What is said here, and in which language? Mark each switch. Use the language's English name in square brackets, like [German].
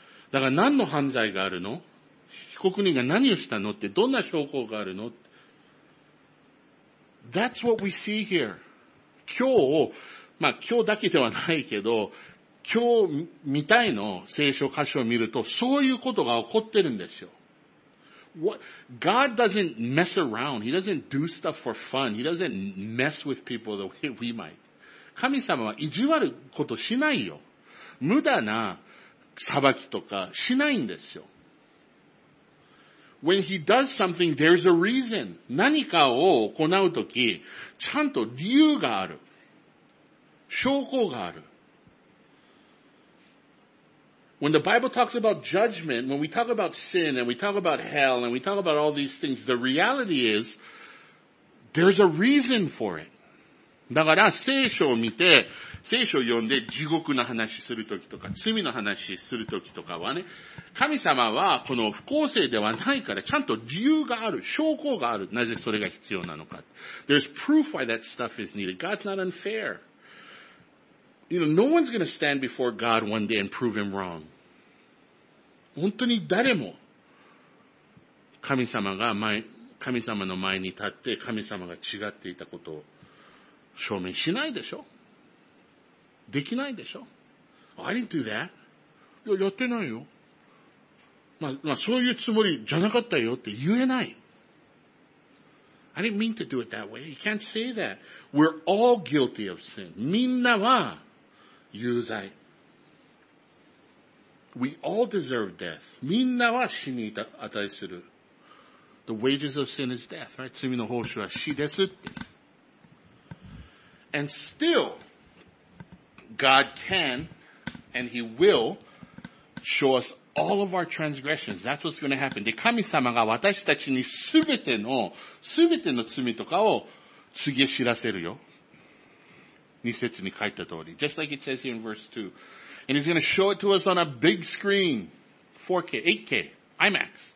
[Japanese] だから何の犯罪があるの？被告人が何をしたのってどんな証拠があるの？ [English] That's what we see here. [Japanese] 今日、まあ今日だけではないけど、今日見たいの聖書箇所を見ると、そういうことが起こってるんですよ。 [English] God doesn't mess around. He doesn't do stuff for fun. He doesn't mess with people the way we might. [Japanese] 神様は意地悪ことしないよ。無駄な裁きとかしないんですよ。 [English] When he does something, there's a reason. [Japanese] 何かを行うとき、ちゃんと理由がある。証拠がある。 [English] When the Bible talks about judgment, when we talk about sin, and we talk about hell, and we talk about all these things, the reality is, there's a reason for it. [Japanese] だから、聖書を見て、聖書を読んで、地獄の話するときとか、罪の話するときとかはね、神様は、この不公正ではないから、ちゃんと理由がある、証拠がある。なぜそれが必要なのか。 [English] There's proof why that stuff is needed. God's not unfair. You know, no one's going to stand before God one day and prove him wrong. [Japanese] 本当に誰も神様の前に立って神様が違っていたことを証明しないでしょ。できないでしょ。 [English] I didn't do that. [Japanese] いや、やってないよ。まあ、そういうつもりじゃなかったよって言えない。 [English] I didn't mean to do it that way. You can't say that. We're all guilty of sin. [Japanese] みんなは有罪。 [English] We all deserve death. [Japanese] みんなは死に値する。 [English] The wages of sin is death, right? [Japanese] 罪の報酬は死です。 [English] And still, God can and He will show us all of our transgressions. That's what's going to happen. [Japanese] で、神様が私たちにすべての罪とかを告げ知らせるよ。 2節に書いた通り。 [English] Just like it says here in verse 2. And He's going to show it to us on a big screen. 4K, 8K, IMAX.